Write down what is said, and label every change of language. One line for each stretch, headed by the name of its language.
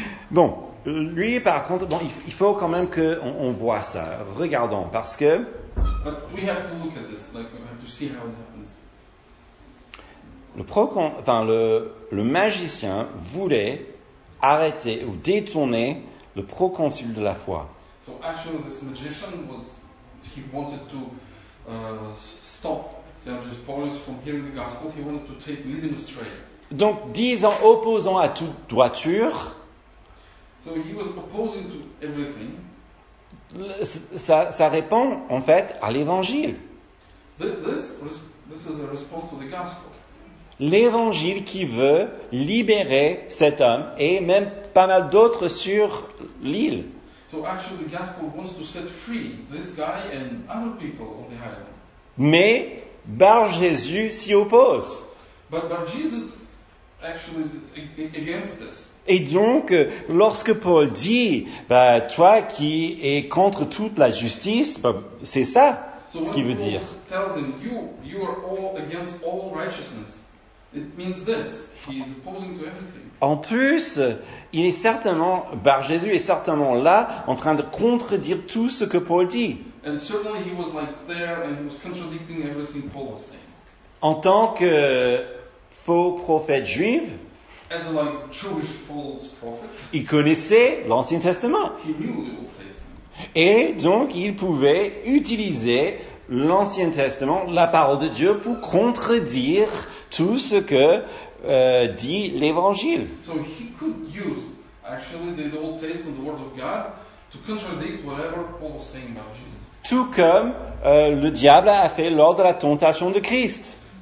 French: Bon, lui par contre, bon, il faut quand même qu'on voit ça. Regardons, parce que le magicien voulait arrêter ou détourner le proconsul de la foi.
English: So actually, this magician was—he wanted to stop Sergius Paulus from hearing the gospel. He wanted to take, lead him astray.
French: Donc, disant opposant à toute droiture.
English: So he was opposing to everything.
French: Ça répond en fait à l'Évangile.
English: This is a response to the gospel.
French: L'Évangile qui veut libérer cet homme et même pas mal d'autres sur l'île.
English: So actually the gospel wants to set free this guy and other people on the island.
French: Mais Bar Jésus s'y oppose.
English: But Bar Jesus actually is against this.
French: Et donc, lorsque Paul dit, toi qui es contre toute la justice, c'est ça ce qu'il veut dire.
English: So when Paul tells him, you are all against all righteousness. It means this. He is opposing to everything.
French: En plus, il est certainement, Bar Jésus est certainement là, en train de contredire tout ce que Paul dit.
English: And certainly he was like there and he was contradicting everything Paul was saying.
French: En tant que faux prophète juif,
English: as a like Jewish false prophet,
French: il connaissait l'Ancien Testament.
English: He knew the Old Testament.
French: Et donc, il pouvait utiliser l'Ancien Testament, la parole de Dieu, pour contredire tout ce que dit l'Évangile.
English: So he could use actually the Old Testament, the Word of God, to contradict whatever Paul was saying about Jesus.
French: Tout comme le diable a fait lors de la tentation de Christ.